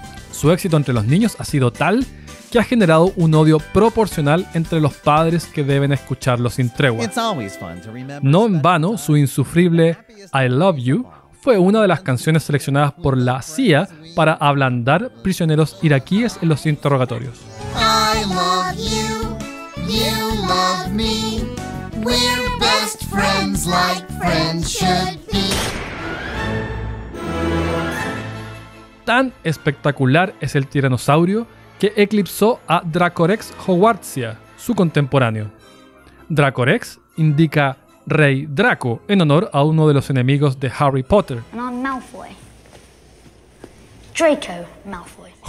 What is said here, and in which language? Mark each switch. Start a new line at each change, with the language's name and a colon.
Spanish: Su éxito entre los niños ha sido tal que ha generado un odio proporcional entre los padres que deben escucharlo sin tregua. No en vano, su insufrible I love you fue una de las canciones seleccionadas por la CIA para ablandar prisioneros iraquíes en los interrogatorios.
English: I love you, you love me, we're best friends like friends should be.
Spanish: Tan espectacular es el tiranosaurio que eclipsó a Dracorex Howardsia, su contemporáneo. Dracorex indica Rey Draco en honor a uno de los enemigos de Harry Potter. No, Malfoy. Draco Malfoy.